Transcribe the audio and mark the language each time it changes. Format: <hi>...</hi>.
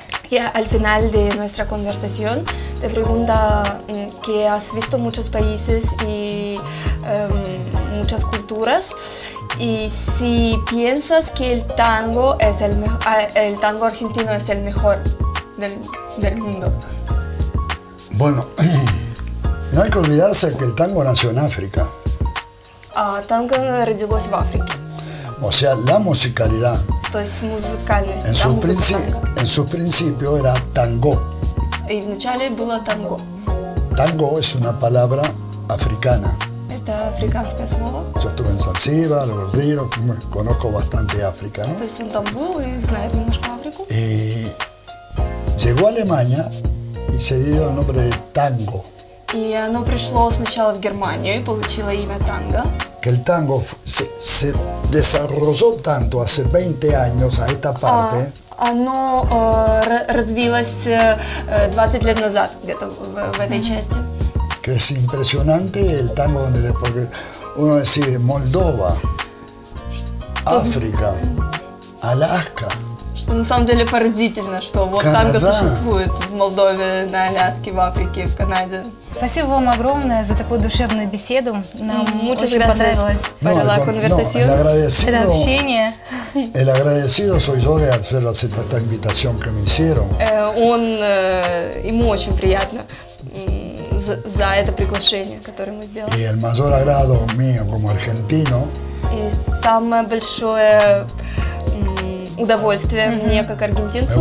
<es>Y al final de nuestra conversación te pregunta que has visto muchos países y muchas culturas y si piensas que el tango es el tango argentino es el mejor del mundo. Bueno, no hay que olvidarse que el tango nació en África.</es> <ru>Tango родилось в Африке.</ru> <es>O sea, la musicalidad.</es> <ru>То есть музыкальность.</ru> <es>En su principio era tango.</es> <ru>Y вначале было танго.</ru> <es>Tango es una palabra africana.</es> <ru>Это африканское слово.</ru> <es>Yo estuve en Zanzíbar, Los Ríos, conozco bastante África, ¿no?</es> <ru>То есть</ru> <es>un tambú y</es> <ru>знает немножко Африку.</ru> <es>Y llegó a Alemania y se dio el nombre de tango.</es> <ru>И оно пришло сначала в Германию и получило имя танго.</ru> <es>Que el tango se desarrolló tanto hace 20 años a esta parte.</es> <ru>Оно развилось 20 лет назад где-то в этой части.</ru> <es>Que es impresionante el tango donde después uno dice Moldova, África, Alaska.</es> <ru>Что на самом деле поразительно, что вот Канада. Танго существует в Молдове, на Аляске, в Африке, в Канаде. Спасибо вам огромное за такую душевную беседу. Нам очень понравилось это общение.</ru> <es>El agradecido soy yo de hacer esta invitación que me hicieron.</es> <ru>Ему очень приятно за это приглашение, которое мы сделали.</ru> <es>Y el mayor agrado mío como argentino.</es> <ru>И самое большое удовольствие мне как аргентинцу.</ru>